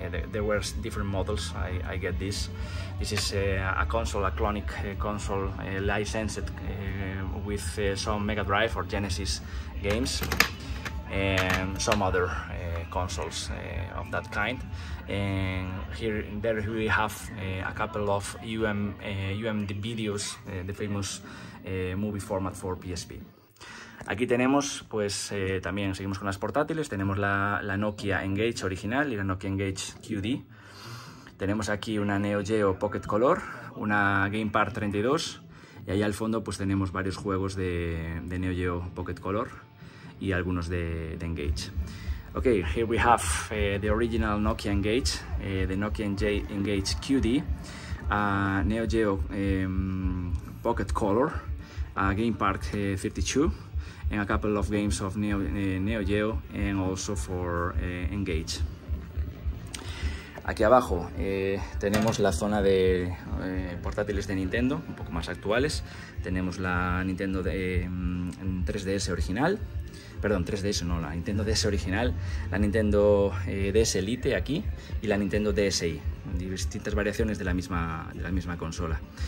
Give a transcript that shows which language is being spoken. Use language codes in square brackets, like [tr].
[en] There were different models. I get this. This is a console, a clonic console, licensed with some Mega Drive or Genesis games, and some other consoles of that kind. And here, there we have a couple of UMD videos, the famous movie format for PSP. [es] Aquí tenemos, pues también seguimos con las portátiles, tenemos la Nokia Engage original y la Nokia Engage QD. Tenemos aquí una Neo Geo Pocket Color, una GamePad 32 y ahí al fondo pues tenemos varios juegos de Neo Geo Pocket Color y algunos de Engage. [en] Ok, here we have the original Nokia Engage, the Nokia Engage QD, Neo Geo Pocket Color, GamePad 32, and a couple of games of Neo Geo, and also for Engage. [es] Aquí abajo tenemos la zona de portátiles de Nintendo, un poco más actuales. Tenemos la Nintendo la Nintendo DS original, la Nintendo DS Lite aquí y la Nintendo DSi, distintas variaciones de la misma consola.